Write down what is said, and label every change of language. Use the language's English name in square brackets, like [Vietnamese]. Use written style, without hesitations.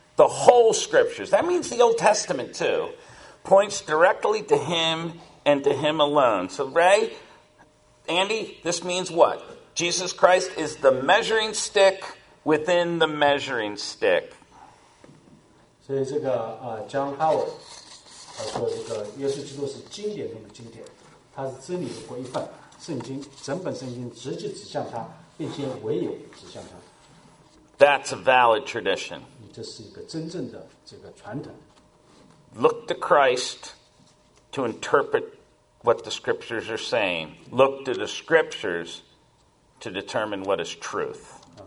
[English] The whole scriptures, that means the Old Testament too, points directly to him and to him alone. So Ray, Andy, this means what? Jesus Christ is the measuring stick within the measuring stick. [Chinese] 所以这个John Howard说这个耶稣基督是经典中的经典，他是真理的规范，圣经整本圣经直接指向他，并且唯有指向他。 [English] That's a valid tradition. [Chinese] 这是一个真正的这个传统。 [English] Look to Christ to interpret what the scriptures are saying. Look to the scriptures to determine what is truth.